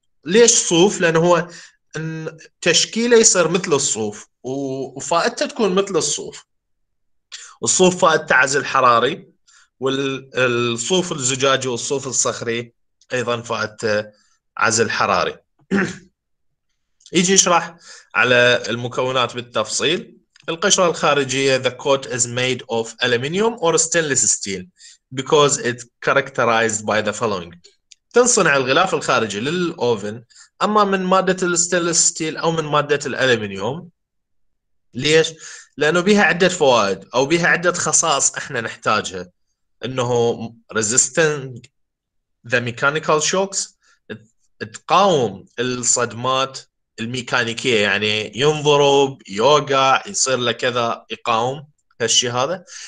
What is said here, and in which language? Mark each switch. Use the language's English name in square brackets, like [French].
[Arabic] ليش صوف؟ لأنه هو تشكيله يصير مثل الصوف، وفائدته تكون مثل الصوف. الصوف فائدته عزل حراري، والصوف الزجاجي والصوف الصخري أيضا فائدته عزل حراري. يجي يشرح على المكونات بالتفصيل. القشرة الخارجية [English] the coat is made of aluminium or stainless steel because it characterized by the following. [Arabic] تنصنع الغلاف الخارجي للأوفن أما من مادة الستينلس ستيل أو من مادة الألمنيوم. ليش؟ لأنه بها عدة فوائد أو بها عدة خصائص إحنا نحتاجها. إنه [English] resistant the mechanical shocks، [Arabic] تقاوم الصدمات الميكانيكية، يعني ينضرب، يوقع، يصير له كذا، يقاوم هالشي هذا.